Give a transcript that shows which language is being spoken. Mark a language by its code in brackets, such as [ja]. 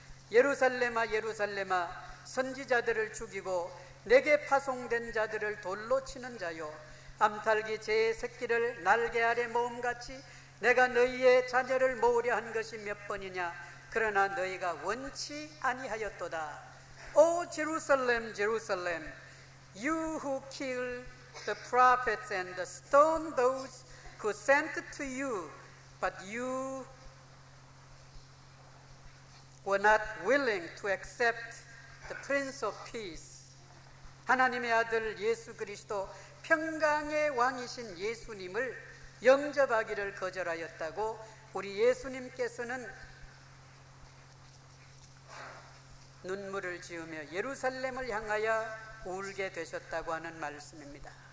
[ko] 예루살렘아 예루살렘아 선지자들을 죽이고 내게 파송된 자들을 돌로 치는 자요 암탈기 제의 새끼를 날개 아래 모음같이 내가 너희의 자녀를 모으려 한 것이 몇 번이냐 그러나 너희가 원치 아니하였도다. [en] 오 제루살렘 제루살렘 You who kill the prophets and the stone those who sent to you but you were not willing to accept the Prince of Peace. [ko] 하나님의 아들 예수 그리스도 평강의 왕이신 예수님을 영접하기를 거절하였다고 우리 예수님께서는 눈물을 지으며 예루살렘을 향하여 울게 되셨다고 하는 말씀입니다.